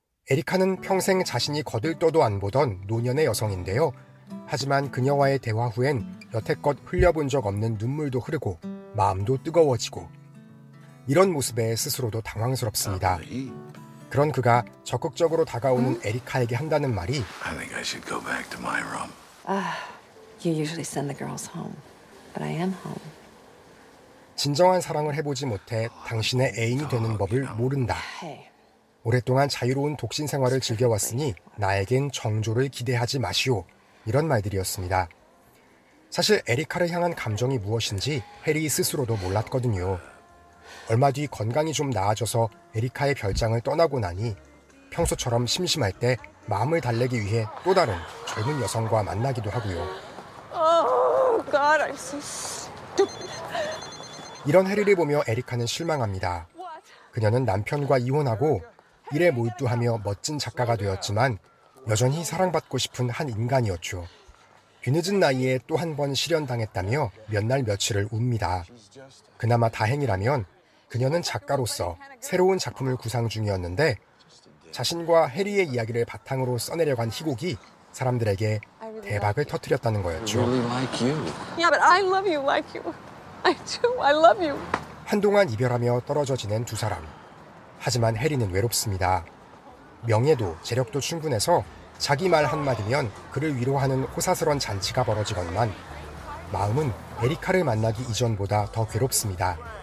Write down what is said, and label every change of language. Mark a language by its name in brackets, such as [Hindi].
[Korean] 에리카는 평생 자신이 거들떠도 안 보던 노년의 여성인데요. 하지만 그녀와의 대화 후엔 여태껏 흘려본 적 없는 눈물도 흐르고 마음도 뜨거워지고 이런 모습에 스스로도 당황스럽습니다. 그런 그가 적극적으로 다가오는 에리카에게 한다는 말이 [English] I think I should go back to my room. You usually send the girls home, but I am home. [Korean] 진정한 사랑을 해보지 못해 당신의 애인이 되는 법을 모른다. 오랫동안 자유로운 독신 생활을 즐겨왔으니 나에겐 정조를 기대하지 마시오. 이런 말들이었습니다. 사실 에리카를 향한 감정이 무엇인지 해리 스스로도 몰랐거든요. 얼마 뒤 건강이 좀 나아져서 에리카의 별장을 떠나고 나니 평소처럼 심심할 때 마음을 달래기 위해 또 다른 젊은 여성과 만나기도 하고요. [English] God, I'm so stupid. [Korean] 이런 해리를 보며 에리카는 실망합니다. 그녀는 남편과 이혼하고 일에 몰두하며 멋진 작가가 되었지만 여전히 사랑받고 싶은 한 인간이었죠. 뒤늦은 나이에 또 한 번 실연당했다며 몇 날 며칠을 웁니다. 그나마 다행이라면 그녀는 작가로서 새로운 작품을 구상 중이었는데 자신과 해리의 이야기를 바탕으로 써내려고 한 희곡이 사람들에게 대박을 터뜨렸다는 거였죠. [English] Yeah, but I love you like you. I do. I love you. [Korean] 한동안 이별하며 떨어져 지낸 두 사람. 하지만 해리는 외롭습니다. 명예도 재력도 충분해서 자기 말 한마디면 그를 위로하는 호사스런 잔치가 벌어지건만 마음은 에리카를 만나기 이전보다 더 괴롭습니다.